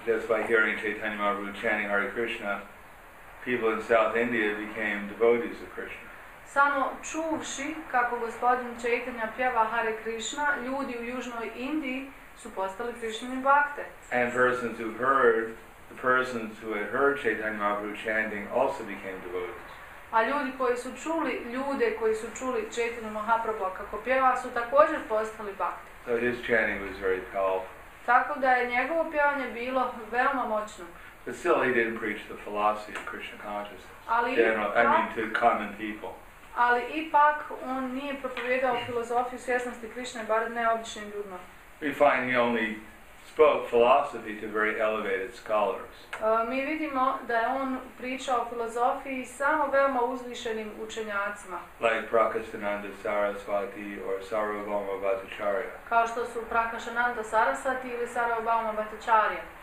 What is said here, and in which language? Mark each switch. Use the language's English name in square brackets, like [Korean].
[English] Just by hearing Chaitanya Mahaprabhu chanting Hare Krishna, people in South India became devotees of Krishna. [Bosnian] Samo čuvši kako gospodin Chaitanya pjeva Hare Krishna, ljudi u Južnoj Indiji su postali Krishnine bhakte. [English] And persons who heard, the persons who had heard Chaitanya Mahaprabhu chanting also became devotees. [Bosnian] A ljudi koji su čuli, ljude koji su čuli Chaitanya Mahaprabhu kako pjeva su također postali bhakte. [English] So his chanting was very powerful. [Bosnian] Tako da je njegovo pjevanje bilo veoma moćno. [English] But still he didn't preach the philosophy of Krishna consciousness. To common people. [Bosnian] Ali ipak on nije propovjedao filozofiju svjesnosti Krishne, bar ne običnim ljudima. [English] We find he only spoke philosophy to very elevated scholars. [Bosnian] Mi vidimo da je on pričao o filozofiji samo veoma uzvišenim učenjacima. [English] Like Prakashananda Sarasvati or Sarvabhauma Bhattacharya. [Bosnian] Kao što su Prakashananda Sarasvati ili Sarvabhauma Bhattacharya.